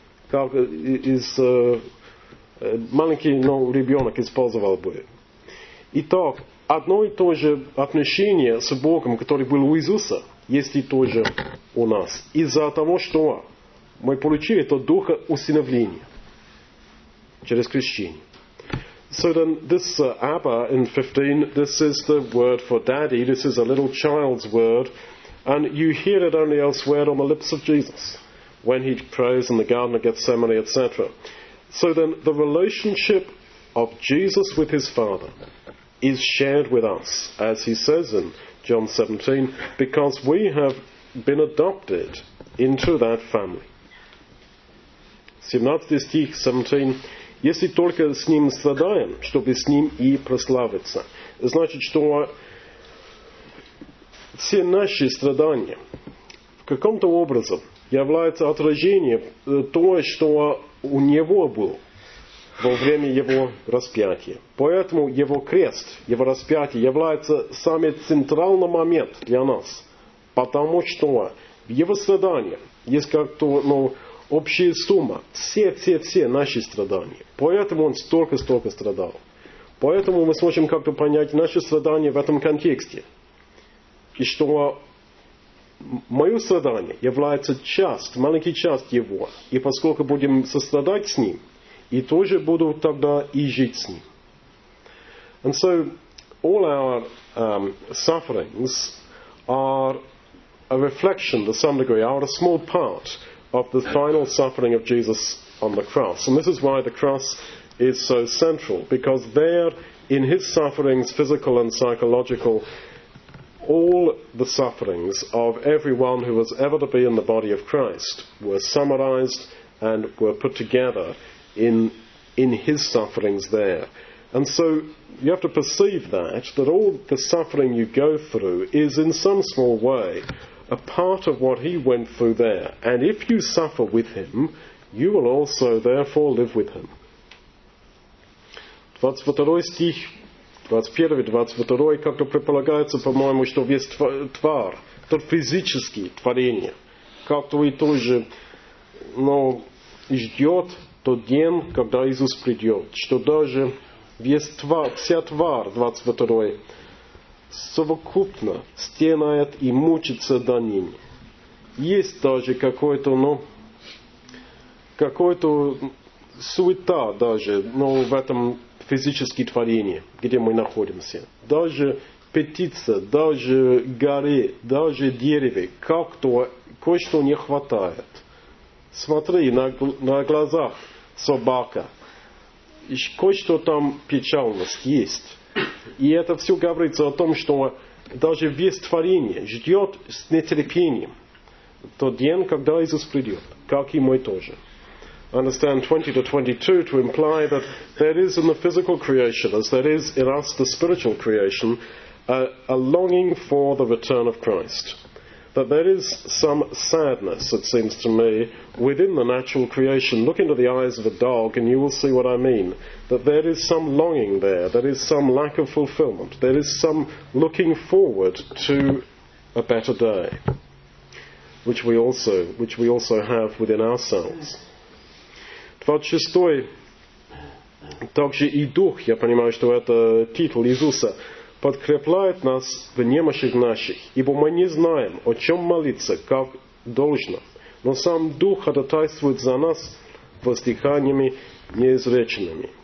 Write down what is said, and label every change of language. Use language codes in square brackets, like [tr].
[ru] Как из... маленький, но ребенок использовал бы. Итак, одно и то же отношение с Богом, который был у Иисуса, есть и то же у нас. Из-за того, что мы получили тот Дух усыновления через крещение. [en] So then, this Abba in 15, this is the word for daddy, this is a little child's word, and you hear it only elsewhere on the lips of Jesus, when he prays in the Garden of Gethsemane, etc. So then, the relationship of Jesus with his Father is shared with us, as he says in John 17, because we have been adopted into that family. [ru] 17 стих, 17. Если только с ним страдаем, чтобы с ним и прославиться. значит, что все наши страдания в каком-то образом являются отражением того, что у него было во время его распятия. Поэтому его крест, его распятие является самым центральным моментом для нас. Потому что в его страданиях есть как-то, ну, общая сумма. Все наши страдания. Поэтому он столько страдал. Поэтому мы сможем как-то понять наши страдания в этом контексте. И что мое страдание является часть, маленький часть его. И поскольку будем сострадать с ним, и тоже буду тогда и жить с ним. [en] And so, all our sufferings are a reflection, to some degree, are a small part of the final suffering of Jesus on the cross. And this is why the cross is so central, because there, in his sufferings, physical and psychological, all the sufferings of everyone who was ever to be in the body of Christ were summarized and were put together in his sufferings there. And so you have to perceive that all the suffering you go through is in some small way a part of what he went through there. And if you suffer with him, you will also therefore live with him. [ru] 22 стих, 21-22, как-то предполагается, по-моему, что весь тварь, тот физический творение, как-то и тоже, но ждет тот день, когда Иисус придет, что даже весь тварь, вся тварь, 22-й, совокупно стенает и мучится до ним. Есть даже какой-то, ну, какой-то суета даже, ну, в этом физическом творении, где мы находимся. Даже птица, даже горы, даже деревья, как-то кое-что не хватает. Смотри, на глазах собака. Кое-что там печальность есть. И это все говорится о том, что даже весь творение ждет с нетерпением тот день, когда Иисус придет, как и мы тоже. [en] I understand 20 to 22 to imply that there is in the physical creation, as there is in us, the spiritual creation, a longing for the return of Christ. That there is some sadness, it seems to me, within the natural creation. Look into the eyes of a dog and you will see what I mean. That there is some longing there. There is some lack of fulfillment. There is some looking forward to a better day, which we also have within ourselves. 26. [ru] Также и дух, я понимаю, что это титул Иисуса, подкрепляет нас в немощи наших, ибо мы не знаем, о чем молиться, как должно. Но сам Дух ходатайствует за нас воздыханиями неизреченными.